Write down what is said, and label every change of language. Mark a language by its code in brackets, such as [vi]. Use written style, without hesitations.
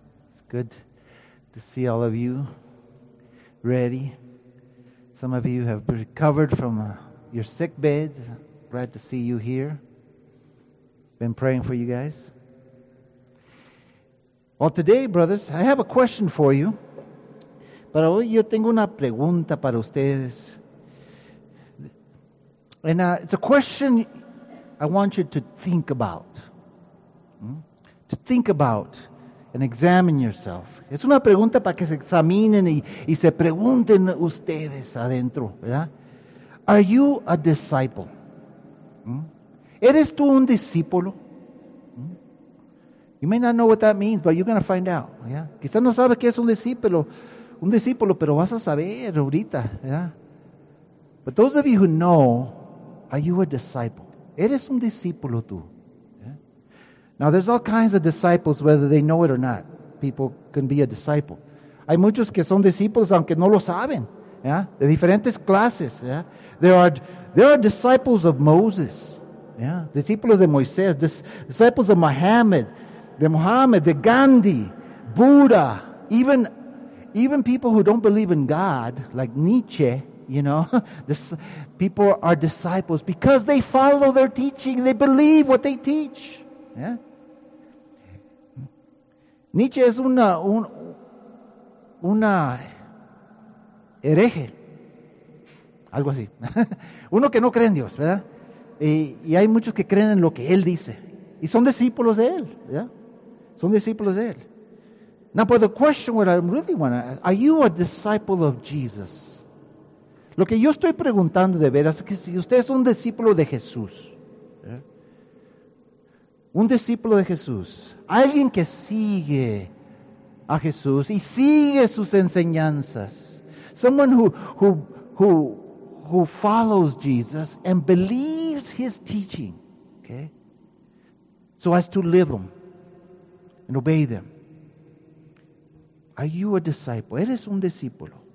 [en] It's good to see all of you ready. Some of you have recovered from your sick beds. Glad to see you here. Been praying for you guys. Well, today, brothers, I have a question for you. [es] Pero hoy yo tengo una pregunta para ustedes. [en] And it's a question I want you to think about. To think about and examine yourself. [es] Es una pregunta para que se examinen y se pregunten ustedes adentro, ¿verdad? [en] Are you a disciple? [es] ¿Eres tú un discípulo? [en] You may not know what that means, but you're going to find out. [es] ¿Verdad? Quizás no sabes qué es un discípulo, pero vas a saber ahorita, ¿verdad? [en] But those of you who know, are you a disciple? [es] ¿Eres un discípulo tú? [en] Now, there's all kinds of disciples, whether they know it or not. People can be a disciple. [es] Hay muchos que son discípulos, aunque no lo saben. [en] Yeah? [es] De diferentes clases. [en] Yeah? There are disciples of Moses. Yeah? [es] Discípulos de Moisés. [en] Disciples of [es] Muhammad, de Gandhi, Buddha. [en] Even people who don't believe in God, like Nietzsche, you know. People are disciples because they follow their teaching. They believe what they teach. Yeah? [es] Nietzsche es una hereje, algo así. Uno que no cree en Dios, ¿verdad? Y hay muchos que creen en lo que él dice. Y son discípulos de él, ¿verdad? Son discípulos de él. [en] Now, but the question what I really want to ask, are you a disciple of Jesus? [es] Lo que yo estoy preguntando de veras es que si usted es un discípulo de Jesús, un discípulo de Jesús, alguien que sigue a Jesús y sigue sus enseñanzas. [en] Someone who follows Jesus and believes his teaching, okay? So as to live them and obey them. Are you a disciple? [es] ¿Eres un discípulo?